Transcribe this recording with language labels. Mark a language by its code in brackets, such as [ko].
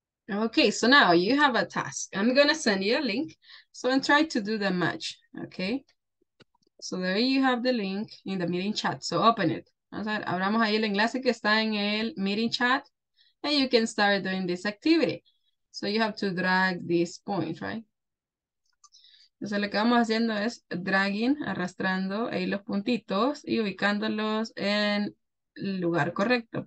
[en] Okay, so now you have a task. I'm gonna send you a link. So and try to do the match. Okay. So there you have the link in the meeting chat. So open it. [es] Abramos ahí el enlace que está en el meeting chat. [en] And you can start doing this activity. So you have to drag this point, right? [es] Entonces lo que vamos haciendo es dragging, arrastrando ahí los puntitos y ubicándolos en el lugar correcto.